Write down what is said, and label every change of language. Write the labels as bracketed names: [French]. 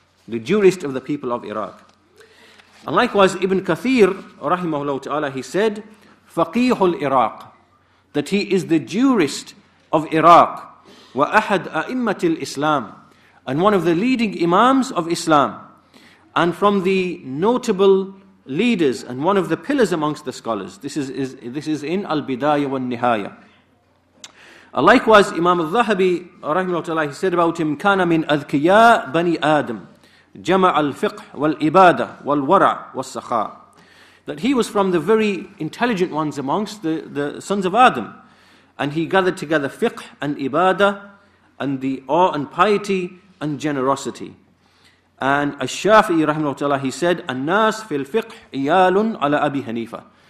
[English] The jurist of the people of Iraq. And likewise, Ibn Kathir, rahimahullah ta'ala, he said, faqih al-Iraq. That he is the jurist of Iraq. [Arabic] وَأَحَدْ أَئِمَّةِ الْإِسْلَامِ, [English] and one of the leading imams of Islam, and from the notable leaders, and one of the pillars amongst the scholars. This is in Al-Bidayah wal-Nihayah. Likewise, Imam al-Dhahabi, رحمه الله, he said about him, [Arabic] كَانَ مِنْ أَذْكِيَاءِ بَنِي آدَمِ جَمَعَ الْفِقْحِ وَالْإِبَادَةِ وَالْوَرَعِ وَالسَّخَاءِ. [English] That he was from the very intelligent ones amongst the sons of Adam. And he gathered together fiqh and ibadah and the awe and piety and generosity. And Ash-Shafi'i rahimahu ta'ala, he said, An-nas fil fiqh iyalun ala Abi Hanifa.